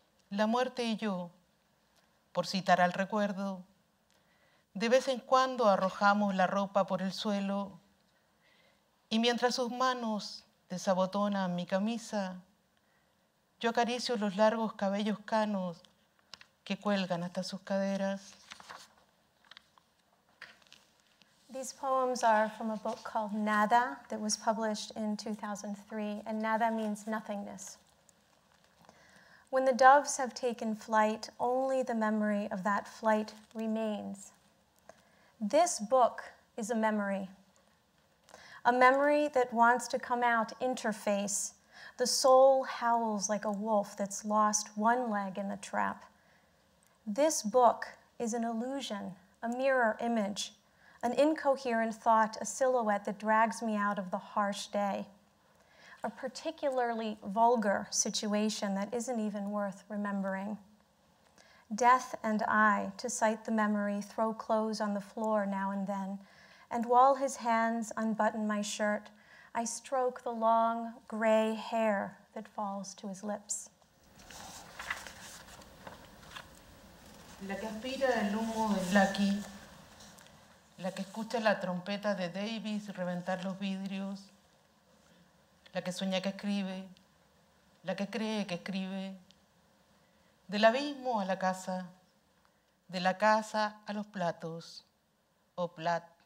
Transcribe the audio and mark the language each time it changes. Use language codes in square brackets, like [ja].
[es] La muerte y yo, por citar al recuerdo, de vez en cuando arrojamos la ropa por el suelo y mientras sus manos desabotonan mi camisa, yo acaricio los largos cabellos canos que cuelgan hasta sus caderas. [en] These poems are from a book called Nada that was published in 2003, and Nada means nothingness. When the doves have taken flight, only the memory of that flight remains. This book is a memory that wants to come out interface. The soul howls like a wolf that's lost one leg in the trap. This book is an illusion, a mirror image, an incoherent thought, a silhouette that drags me out of the harsh day, a particularly vulgar situation that isn't even worth remembering. Death and I, to cite the memory, throw clothes on the floor now and then, and while his hands unbutton my shirt, I stroke the long gray hair that falls to his lips. [es] La que aspira el humo de Blackie, la que escucha la trompeta de Davis reventar los vidrios, la que sueña que escribe, la que cree que escribe, del abismo a la casa, de la casa a los platos, o plat.